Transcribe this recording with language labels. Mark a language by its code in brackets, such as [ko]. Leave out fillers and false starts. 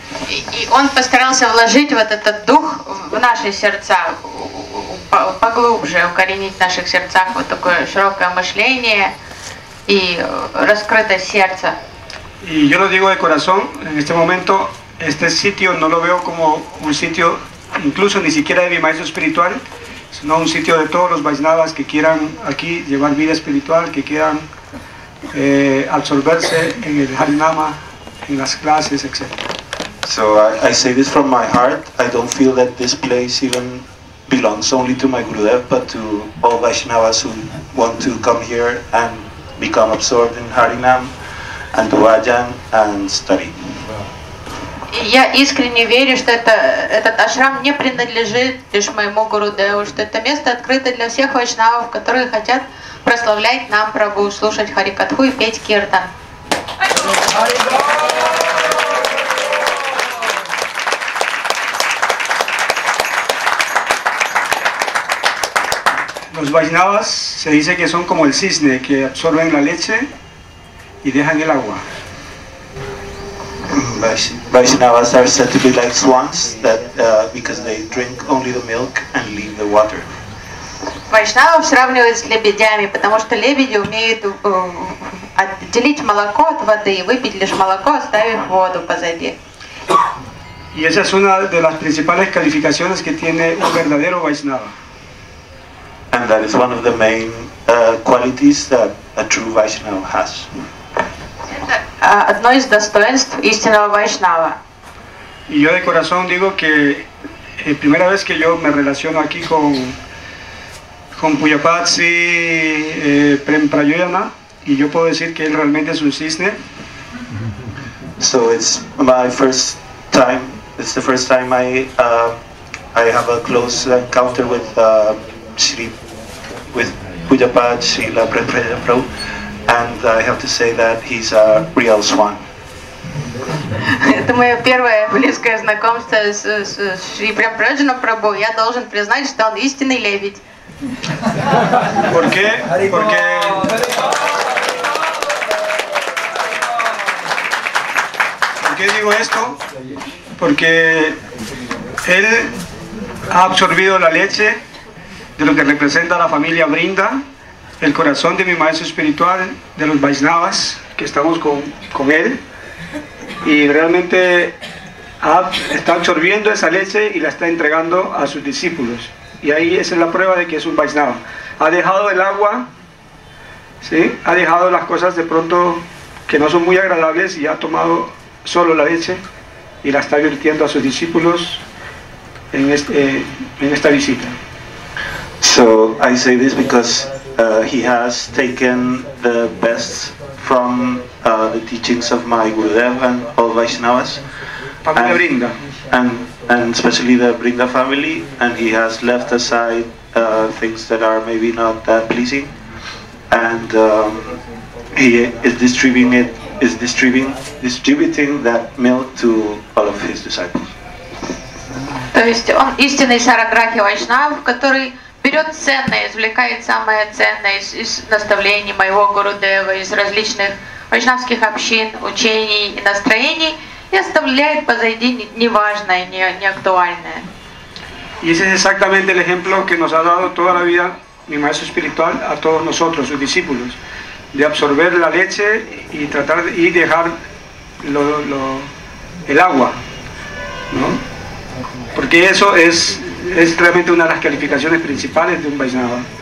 [ru] И он постарался вложить вот этот дух в наши сердца, поглубже укоренить в наших сердцах вот такое широкое мышление и раскрытое сердце. И я [es] lo digo de corazón, en este momento este sitio no lo veo como un sitio incluso ni siquiera de mi maestro espiritual, sino un sitio de todos los vaisnavas que quieran aquí llevar vida espiritual, que quieran absorberse en el Harinama, en las clases, etc. [en] So I say this from my heart. I don't feel that this place even belongs only to my Gurudev, but to all Vaishnavas who want to come here and become absorbed in Harinam and do Ajahn and study. [ru] Я искренне верю, что этот ашрам не принадлежит лишь моему Гурудеву, что это место открыто для всех вайшнавов, которые хотят прославлять нам Прабху, слушать Харикатху и петь киртан. [es] Los vaisnavas se dice que son como el cisne que absorben la leche y dejan el agua. [en] Vaisnavas are said to be like swans that because they drink only the milk and leave the water. [ru] Vaisnavas сравнивают с лебедями, потому что лебеди умеют отделить молоко от воды и выпить лишь молоко, оставив воду позади. [es] Y esa es una de las principales calificaciones que tiene un verdadero vaisnava. [en] And that is one of the main qualities that a true Vaishnava has. [ru] Одно из достоинств истинного вайшнава. [es] Y yo de corazón digo que la primera vez que yo me relaciono aquí con Puyapatsi Prem Prayoyama, y yo puedo decir que él realmente es un cisne. [en] So it's my first time. It's the first time I have a close encounter with Puyapad Srila Prem Prayoyama, and I have to say that he's a real swan. [ru] Это мое первое близкое знакомство с Шри Прем Прояджана Прабху. Я должен признать, что он истинный лебедь. [es] ¿Por qué? Porque digo esto, porque él ha absorbido la leche de lo que representa la familia Brinda, el corazón de mi maestro espiritual, de los Vaishnavas, que estamos con él, y realmente ha, está absorbiendo esa leche y la está entregando a sus discípulos. Y ahí esa es la prueba de que es un Vaishnava. Ha dejado el agua, ¿sí? Ha dejado las cosas de pronto que no son muy agradables y ha tomado solo la leche y la está vertiendo a sus discípulos en, en esta visita. [en] So I say this because he has taken the best from the teachings of my Gurudev and all Vaishnavas. And especially the Vrinda family, and he has left aside things that are maybe not that pleasing, and he is distributing that milk to all of his disciples. [ru] То есть он истинный Шараграхи Вайшнав, который берет ценное, извлекает самое ценное из наставлений моего Гурудева, из различных вайшнавских общин, учений и настроений. И оставляет позади неважное, не актуальное. [es] Y ese es exactamente el ejemplo que nos ha dado toda la vida mi maestro espiritual a todos nosotros, sus discípulos, de absorber la leche y tratar de, y dejar el agua, ¿no? Porque eso es realmente una de las calificaciones principales de un Vaishnava.